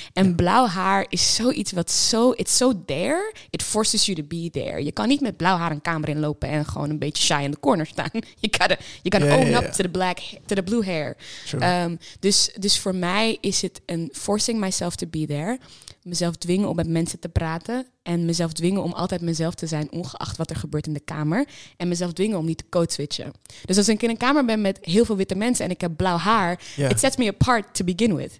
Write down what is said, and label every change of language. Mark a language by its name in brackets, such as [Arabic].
[Dutch] En blauw haar is zoiets wat zo... [English] It's so there, it forces you to be there. [Dutch] Je kan niet met blauw haar een kamer inlopen en gewoon een beetje shy in de corner staan. [English] You gotta own up to the blue hair. True. [Dutch] Dus voor mij is het een [English] forcing myself to be there. [Dutch] Mezelf dwingen om met mensen te praten. En mezelf dwingen om altijd mezelf te zijn, ongeacht wat er gebeurt in de kamer. En mezelf dwingen om niet te codeswitchen. Dus als ik in een kamer ben met heel veel witte mensen en ik heb blauw haar, [English] it sets me apart to begin with.